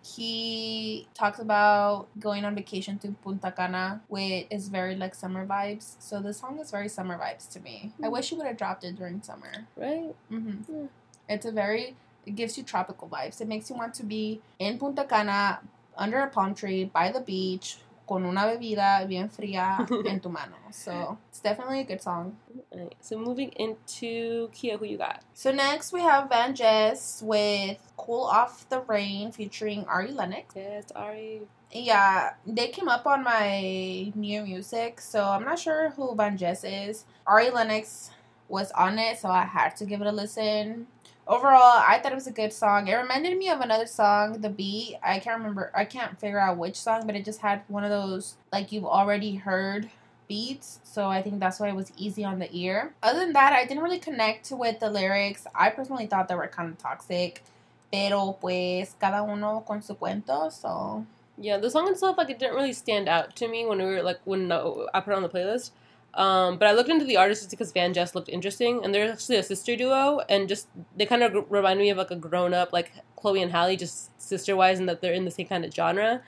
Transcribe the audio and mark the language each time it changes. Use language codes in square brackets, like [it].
[en] He talks about going on vacation to Punta Cana, which is very like summer vibes. So this song is very summer vibes to me. Mm-hmm. I wish you would have dropped it during summer. Right? Mm-hmm. Yeah. It gives you tropical vibes. It makes you want to be in Punta Cana under a palm tree by the beach. [es] Con una bebida bien fría en tu mano. [en] So, it's definitely a good song. Right. So, moving into Kia, who you got? So, next we have Van Jess with Cool Off the Rain featuring Ari Lennox. Yes, Ari. Yeah, they came up on my new music, so I'm not sure who Van Jess is. Ari Lennox was on it, so I had to give it a listen. Overall, I thought it was a good song. It reminded me of another song, The Beat. I can't figure out which song, but it just had one of those, like, you've already heard beats. So I think that's why it was easy on the ear. Other than that, I didn't really connect with the lyrics. I personally thought they were kind of toxic. [es] Pero pues, cada uno con su cuento, so. [en] Yeah, the song itself, like, it didn't really stand out to me when I put it on the playlist. But I looked into the artist just because Van Jess looked interesting, and they're actually a sister duo, and just, they kind of remind me of, like, a grown-up, like, Chloe and Halle, just sister-wise, and that they're in the same kind of genre.